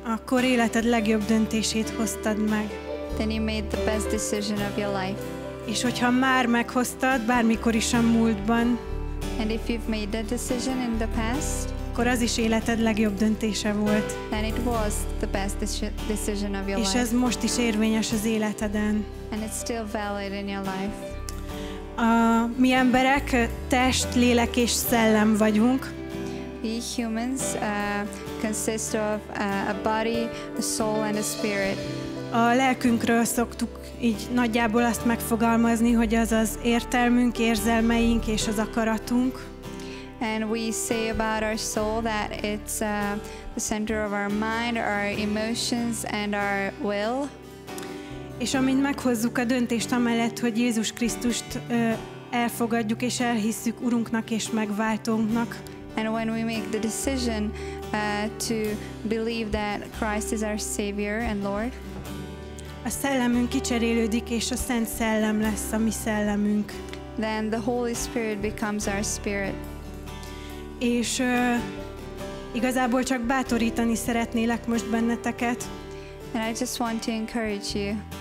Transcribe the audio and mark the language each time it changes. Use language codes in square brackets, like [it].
[hu] Akkor életed legjobb döntését hoztad meg. [en] Then you made the best decision of your life. [hu] És hogyha már meghoztad, bármikor is a múltban. [en] And if you've made that decision in the past. [hu] Akkor az is életed legjobb döntése volt. [en] Then it was the best decision of your life. [hu] És ez most is érvényes az életeden. [en] And it's still valid in your life. [hu] A mi emberek test, lélek és szellem vagyunk. [en] We humans consist of a body, a soul, and a spirit. [hu] a lelkünkről szoktuk így nagyjából azt megfogalmazni, hogy az az értelmünk, érzelmeink és az akaratunk. [en] And we say about our soul that it's the center of our mind, our emotions and our will. [hu] És amint meghozzuk a döntést amellett, hogy Jézus Krisztust elfogadjuk és elhisszük Urunknak és megváltónknak. [en] And when we make the decision to believe that Christ is our Savior and Lord. [hu] A szellemünk kicserélődik és a Szent Szellem lesz a mi szellemünk. [en] Then the Holy Spirit becomes our spirit. [hu] És igazából csak bátorítani szeretnélek most benneteket. [en] And I just want to encourage you.